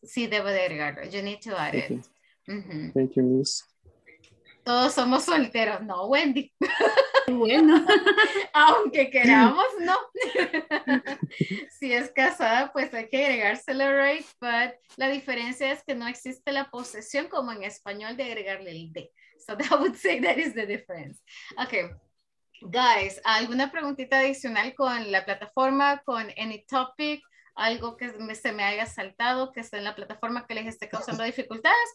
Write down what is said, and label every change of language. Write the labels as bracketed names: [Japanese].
[Spanish] Sí, debo de agregarlo. [English] You need to add it. Mm-hmm. Thank you, Miss. [Spanish] Todos somos solteros. No, Wendy. Bueno. Aunque queramos, no. Si es casada, pues hay que agregárselo, right? But la diferencia es que no existe la posesión como en español de agregarle el D. [English] So that would say that is the difference. Okay. [Spanish] Guys, ¿alguna preguntita adicional con la plataforma, con [English] any topic? [Spanish] ¿Algo que se me haya saltado, que está en la plataforma que les esté causando dificultades?